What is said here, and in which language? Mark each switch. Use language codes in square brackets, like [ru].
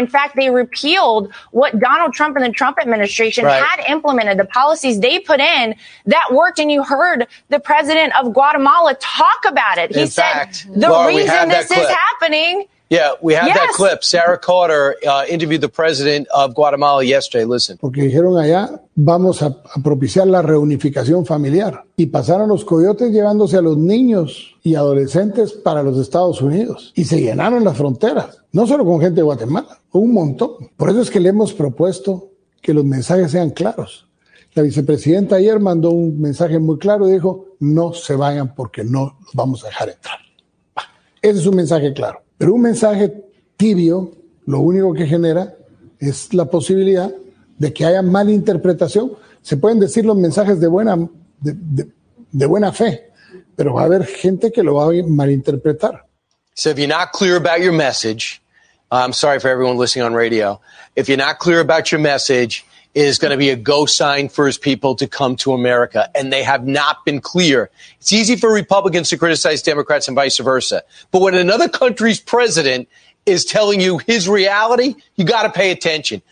[en] In fact, they repealed what Donald Trump and the Trump administration had implemented, the policies they put in that worked. And you heard the president of Guatemala talk about it. He said the reason this is happening. Yeah, we have that clip. Sarah Carter interviewed the president of Guatemala yesterday. Listen. [es] Porque dijeron allá, vamos a propiciar la reunificación familiar. Y pasaron los coyotes llevándose a los niños y adolescentes para los Estados Unidos. Y se llenaron las fronteras, no solo con gente de Guatemala, un montón. Por eso es que le hemos propuesto que los mensajes sean claros. La vicepresidenta ayer mandó un mensaje muy claro y dijo, no se vayan porque no los vamos a dejar entrar. Ese es un mensaje claro. Pero un mensaje tibio, lo único que genera es la posibilidad de que haya malinterpretación. Se pueden decir los mensajes de buena fe, pero va a haber gente que lo va a malinterpretar. [en] So if you're not clear about your message, I'm sorry for everyone listening on radio. If you're not clear about your message, it is going to be a go sign for his people to come to America. And they have not been clear. It's easy for Republicans to criticize Democrats and vice versa. But when another country's president is telling you his reality, you got to pay attention.